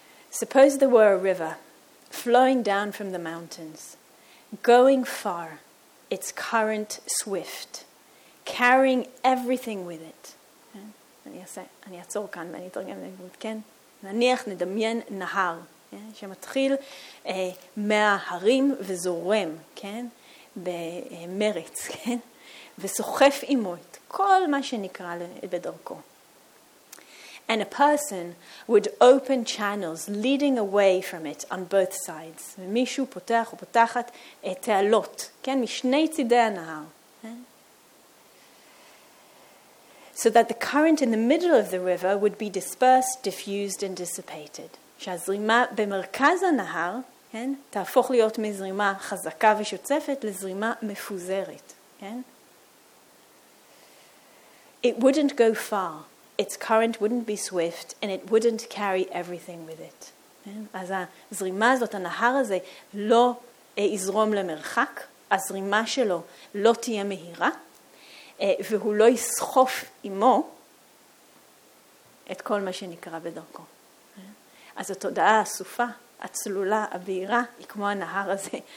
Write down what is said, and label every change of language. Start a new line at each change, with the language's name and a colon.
English: Suppose there were a river flowing down from the mountains, going far, its current swift, carrying everything with it.
Hebrew: אני אעצור כאן ואני אתרגם לעברית, כן? נניח, נדמיין נהר, שמתחיל מההרים וזורם, כן? במרץ, כן? וסוחף עמו את כל מה שנקרא בדרכו.
English: And a person would open channels leading away from it on both sides.
Hebrew: ומישהו פותח ופותחת תעלות, כן? משני צידי הנהר.
English: So that the current in the middle of the river would be dispersed, diffused and dissipated.
Hebrew: שהזרימה במרכז הנהר, כן? תהפוך להיות מזרימה חזקה ושוצפת לזרימה מפוזרת, כן?
English: It wouldn't go far. Its current wouldn't be swift and it wouldn't carry everything with it.
Hebrew: כן? אז הזרימה הזאת, הנהר הזה, לא יזרום למרחק, הזרימה שלו לא תהיה מהירה, והוא לא יסחוף עמו את כל מה שנקרא בדרכו. אז התודעה הסופה, הצלולה, הבהירה, היא כמו הנהר הזה.